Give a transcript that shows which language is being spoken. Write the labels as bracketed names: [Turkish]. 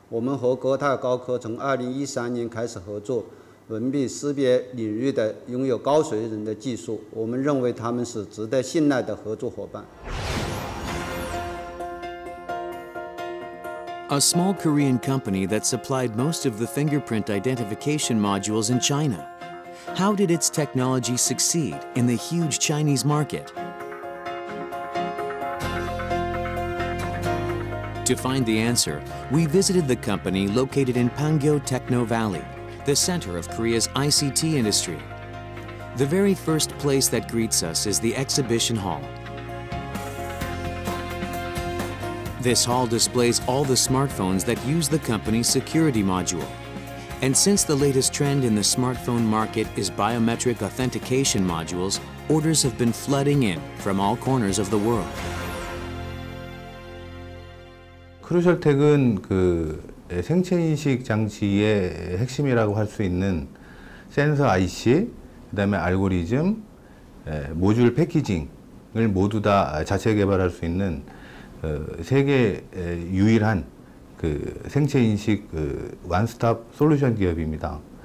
[Chinese] 科大高科的指纹识别模块的识别速度快，并且准确，同时他们所采用的素材非常多样化，设计方面话也很强。与其他指纹供应商相比的话，他们不仅硬件方面技术过硬，也具备算法和分辨软件的技术。另外，服务也非常好，在开发的过程中，大家沟通和解决问题的速度更快。我们和科大高科从2013年开始合作。 [English] A small Korean company that supplied most of the fingerprint identification modules in China. How did its technology succeed in the huge Chinese market? To find the answer, we visited the company located in Pangyo Techno Valley, the center of Korea's ICT industry. The very first place that greets us is the exhibition hall. This hall displays all the smartphones that use the company's security module. And since the latest trend in the smartphone market is biometric authentication modules, orders have been flooding in from all corners of the world. [Korean] Crucial Tech은 생체인식 장치의 핵심이라고 할 수 있는 센서 IC, 그 다음에 알고리즘, 모듈 패키징을 모두 다 자체 개발할 수 있는 세계 유일한 생체인식 원스톱 솔루션 기업입니다.